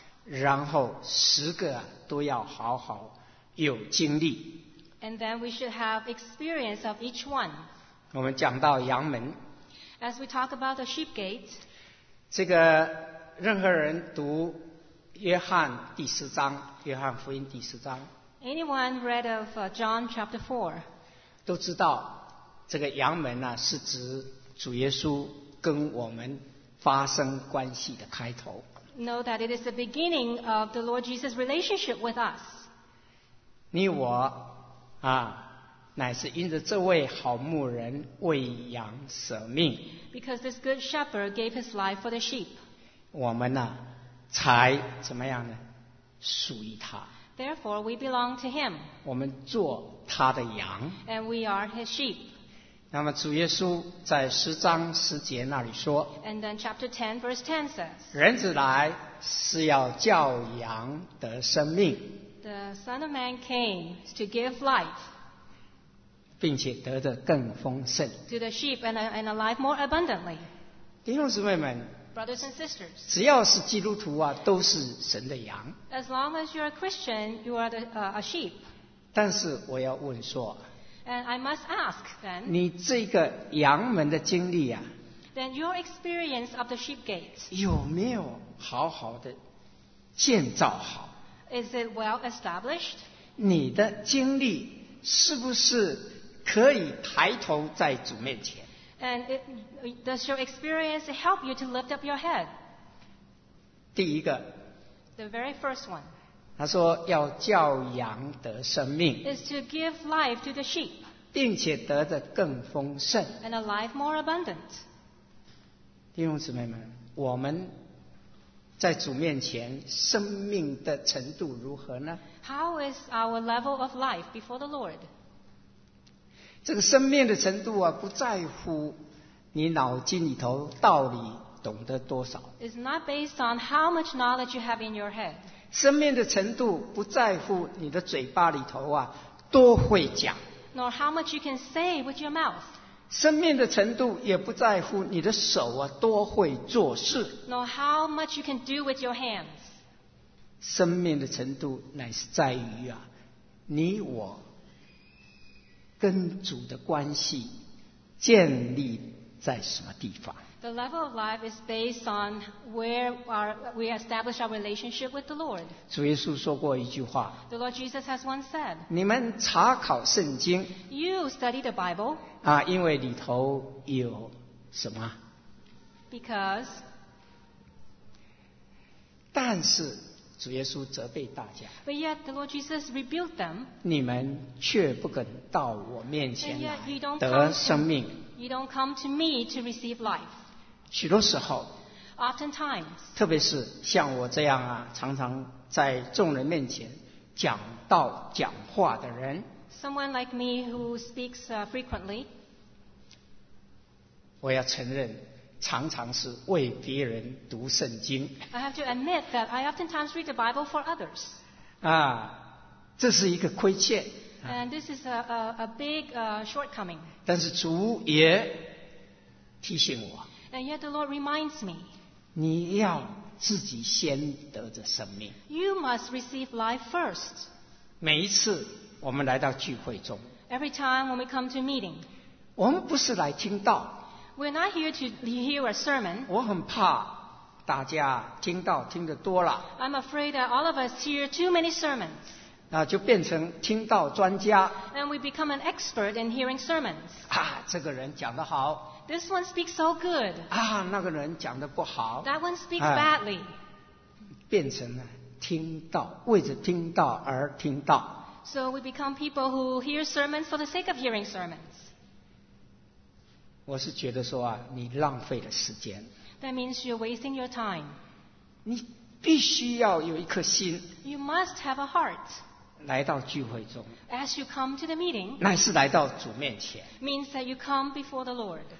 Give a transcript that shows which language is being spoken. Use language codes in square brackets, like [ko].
[zh] 然后十个都要好好有经历。 [en] And then we should have experience of each one. [zh] 我们讲到阳门。 [en] As we talk about the sheep gate, [zh] 这个任何人读约翰第十章，约翰福音第十章。 [en] Anyone read of John chapter 4? [zh] 都知道这个阳门呢、啊、是指主耶稣跟我们发生关系的开头。 [en] Know that it is the beginning of the Lord Jesus' relationship with us. [zh] 你我啊，乃是因着这位好牧人为羊舍命。 [en] Because this good shepherd gave his life for the sheep. [zh] 我们呢、啊，才怎么样呢？属于他。 [en] Therefore, we belong to him. [zh] 我们做他的羊。 [en] And we are his sheep. [zh] 那么主耶稣在十章十节那里说。 [en] And then chapter 10, verse 10 says. [zh] 人子来是要叫羊得生命。 [en] The Son of Man came to give life, [zh] 并且得的更丰盛 [en] to the sheep and a life more abundantly. [zh] 弟兄姊妹们 [en] brothers and sisters, [zh] 只要是基督徒啊，都是神的羊 [en] as long as you're a Christian, you are a sheep. [zh] 但是我要问说 [en] and I must ask then, [zh] 你这个羊门的经历啊 [en] then your experience of the sheep gate, [zh] 有没有好好的建造好 [en] Is it well established? [zh] 你的经历是不是可以抬头在主面前 [en] And does your experience help you to lift up your head? [zh] 第一个 [en] The very first one [zh] 他说要叫羊得生命 [en] Is to give life to the sheep [zh] 并且得的更丰盛 [en] And a life more abundant [zh] 弟兄姊妹们我们在主面前生命的程度如何呢 [en] How is our level of life before the Lord? [zh] 这个生命的程度啊不在乎你脑筋里头道理懂得多少 [en] It's not based on how much knowledge you have in your head [zh] 生命的程度不在乎你的嘴巴里头啊多会讲 [en] Nor how much you can say with your mouth [zh] 生命的程度也不在乎你的手啊多会做事 [en] No, how much you can do with your hands. [zh] 生命的程度乃是在于啊你我跟主的关系建立在什么地方 [en] The level of life is based on where we establish our relationship with the Lord. [zh] 主耶稣说过一句话 [en] The Lord Jesus has once said [zh] 你们查考圣经 [en] You study the Bible [zh] 啊，因为里头有什么 [en] ？Because， [zh] 但是主耶稣责备大家。 [en] But yet the Lord Jesus rebuked them. [zh] 你们却不肯到我面前来得生命。 [en] You don't come to me to receive life. [zh] 许多时候 [en] ，oftentimes， [zh] 特别是像我这样啊，常常在众人面前讲道讲话的人。 [en] Someone like me who speaks frequently. [zh] 我要承认，常常是为别人读圣经。 [en] I have to admit that I oftentimes read the Bible for others. [zh] 啊，这是一个亏欠。 [en] And this is a big shortcoming. [zh] 但是主也提醒我。 [en] And yet the Lord reminds me. [zh] 你要自己先得着生命。 [en] You must receive life first. [zh] 每一次。我们来到聚会中 [en] Every time when we come to meeting, [zh] 我们不是来听道 [en] We're not here to hear a sermon [zh] 我很怕大家听道听得多了 [en] I'm afraid that all of us hear too many sermons [zh] 啊，就变成听道专家。 [en] And we become an expert in hearing sermons. [zh] 啊，这个人讲得好。 [en] This one speaks so good. [zh] 啊，那个人讲得不好。 [en] That one speaks badly. [zh] 变成了听道，为着听道而听道。 [en] So we become people who hear sermons for the sake of hearing sermons. [zh] 我是觉得说啊，你浪费了时间。 [en] That means you're wasting your time. [zh] 你必须要有一颗心。 [en] You must have a heart. [zh] 来到聚会中。 [en] As you come to the meeting. [zh] 乃是来到主面前。 [en] Means that you come before the Lord.